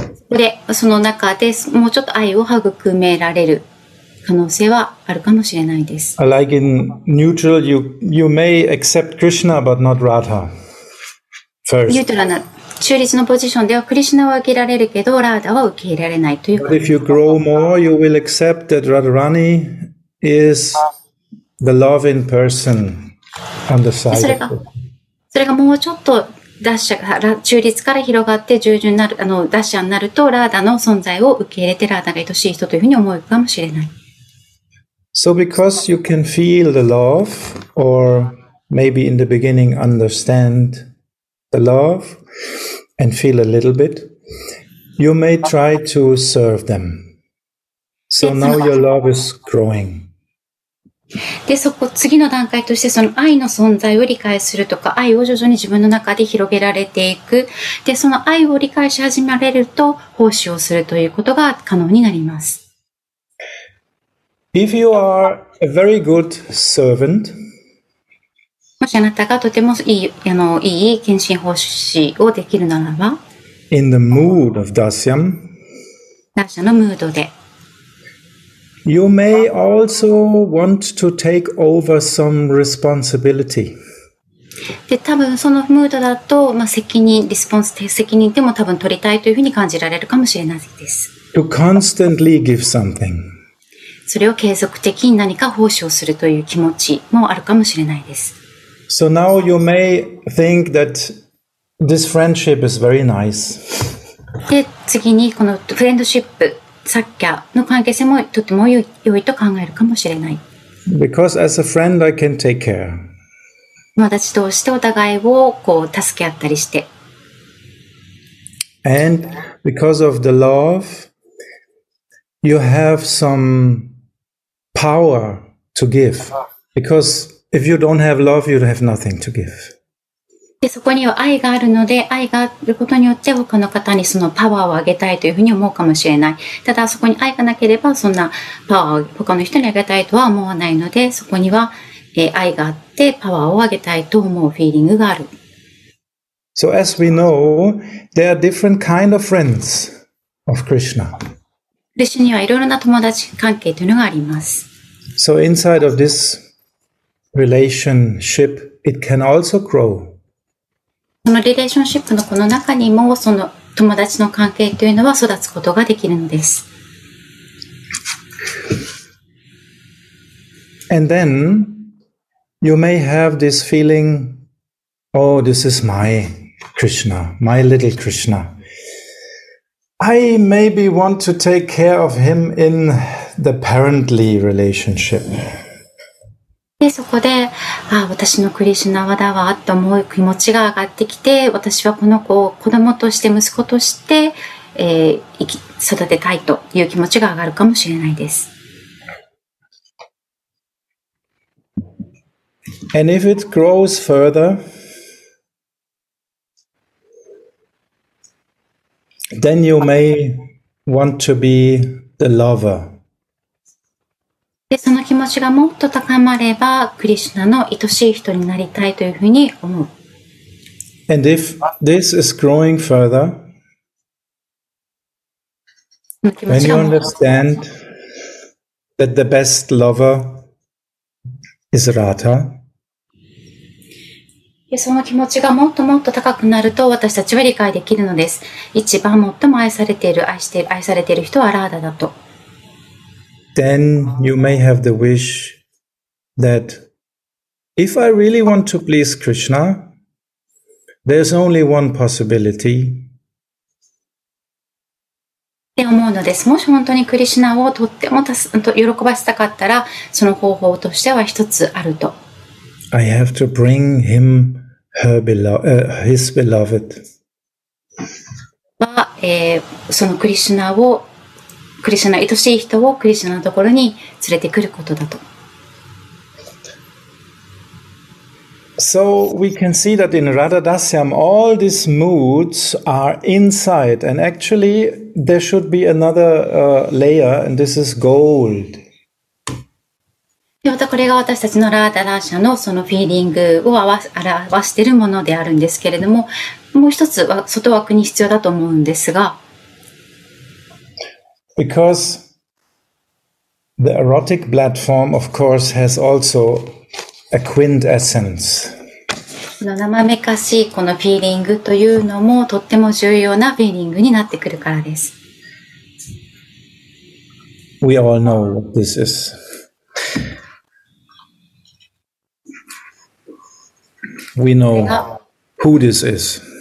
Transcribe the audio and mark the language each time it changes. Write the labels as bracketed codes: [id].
[ja] で、その中でもうちょっと愛を育められる可能性はあるかもしれないです。 [en] Like in neutral, you may accept Krishna but not Radha. First. [ja] ニュートラルな中立のポジションではクリシュナは受けられるけど、ラーダは受け入れられないという。 [en] But if you grow more, you will accept that Radharani is the love in person on the side. [ja] それがもうちょっと。ダッシャが中立から広がって従順になるダッシャになるとラーダの存在を受け入れてラーダが愛しい人というふうに思うかもしれない。 [en] So because you can feel the love, or maybe in the beginning understand the love and feel a little bit, you may try to serve them. So now your love is growing. [ja] でそこ次の段階としてその愛の存在を理解するとか愛を徐々に自分の中で広げられていくでその愛を理解し始められると奉仕をするということが可能になります。 [en] If you are a very good servant, [ja] もしあなたがとてもいい献身奉仕をできるならば [en] In the mood of Dasyam, [ja] ダシャのムードで [en] You may also want to take over some responsibility. [ja] で、多分そのムードだと、まあ、責任でも多分取りたいというふうに感じられるかもしれないです。 [en] To constantly give something. [ja] それを継続的に何か奉仕をするという気持ちもあるかもしれないです。 [en] So now you may think that this friendship is very nice. [ja] で、次にこのフレンドシップ、サッキャの関係性もとても良いと考えるかもしれない。 [en] Because as a friend, I can take care. [ja] 友達同士でお互いをこう助け合ったりして。 [en] And because of the love, you have some power to give. Because if you don't have love, you have nothing to give. [ja] で、そこには愛があるので、愛があることによって他の方にそのパワーをあげたいというふうに思うかもしれない。ただ、そこに愛がなければ、そんなパワーを他の人にあげたいとは思わないので、そこには愛があってパワーをあげたいと思うフィーリングがある。 [en] So as we know, there are different kind of friends of Krishna. [ja] クリシュにはいろいろな友達関係というのがあります。 [en] So inside of this relationship, it can also grow. [ja] そのリレーションシップのこの中にもその友達の関係というのは育つことができるのです。 [en] And then you may have this feeling, oh, this is my... Krishna, my little Krishna. I maybe want to take care of him in the parently relationship. [ja] で、そこで、ああ、私のクリシナはだわと思う気持ちが上がってきて、私はこの子を子供として息子として、育てたいという気持ちが上がるかもしれないです。 [en] And if it grows further,Then you may want to be the lover. [ja] で、その気持ちがもっと高まれば、クリシュナの愛しい人になりたいというふうに思う。 [en] And if this is growing further, when you understand that the best lover is Radha, [ja] その気持ちがもっともっと高くなると私たちは理解できるのです。一番最も愛されている、愛している、愛されている人はラーダだと。 [en] Then you may have the wish that if I really want to please Krishna, there's only one possibility. [ja] って思うのです。もし本当にクリシュナをとっても喜ばせたかったら、その方法としては一つあると。 [en] I have to bring him. Her beloved, his beloved. [ja] は、そのクリシュナを、クリシュナ、愛しい人をクリシュナのところに連れてくることだと。 [en] So we can see that in Radha Dasyam, all these moods are inside, and actually there should be another, layer, and this is gold. [ja] またこれが私たちのラーダラーシャのそのフィーリングを表しているものであるんですけれども、もう一つは外枠に必要だと思うんですが。 [en] Because the erotic platform, of course, has also a quint essence. [ja] この生めかしいこのフィーリングというのもとっても重要なフィーリングになってくるからです。 [en] We all know what this is. We know who this is.